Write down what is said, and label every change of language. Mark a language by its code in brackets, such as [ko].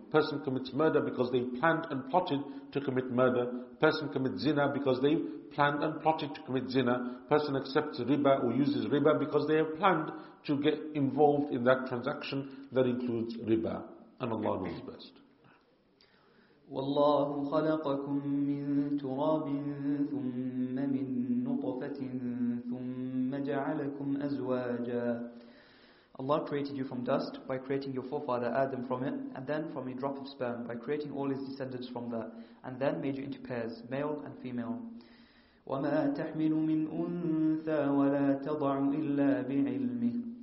[en] A person commits murder because they planned and plotted to commit murder. A person commits zina because they planned and plotted to commit zina. A person accepts riba or uses riba because they have planned to get involved in that transaction that includes riba. And Allah knows best. [ar] والله خلقكم من تراب ثم من نطفة ثم جعلكم أزواجا. [en] Allah created you from dust by creating your forefather Adam from it, and then from a drop of sperm by creating all his descendants from that, and then made you into pairs, male and female. [ar] وما تحمل من أنثى ولا تضع إلا بعلمه.